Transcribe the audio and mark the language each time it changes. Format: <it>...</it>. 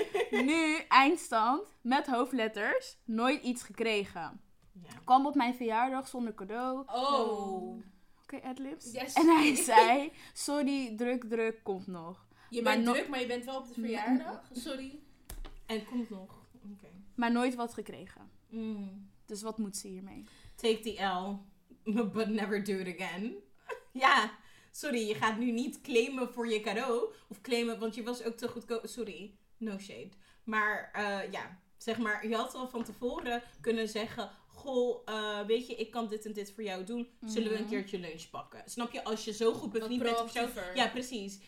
<nl>Nu, eindstand, met hoofdletters, nooit iets gekregen. Ja. Kwam op mijn verjaardag zonder cadeau. Oh. Oké, adlibs.</nl> <en>Yes.</en> <nl>En hij zei, sorry, druk, komt nog. Maar je bent wel op de verjaardag, sorry. En komt nog. Maar nooit wat gekregen. Mm. Dus wat moet ze hiermee?</nl> <en>Take the L, but never do it again.</en> <nl>Ja, sorry, je gaat nu niet claimen voor je cadeau. Of claimen, want je was ook te goedkoop.</nl> <en>Sorry, no shade.</en> <nl>Maar zeg maar, je had al van tevoren kunnen zeggen, weet je, ik kan dit en dit voor jou doen. Zullen we een keertje lunch pakken? Snap je, als je zo goed bent, niet bent of zo. Ja, precies.</nl>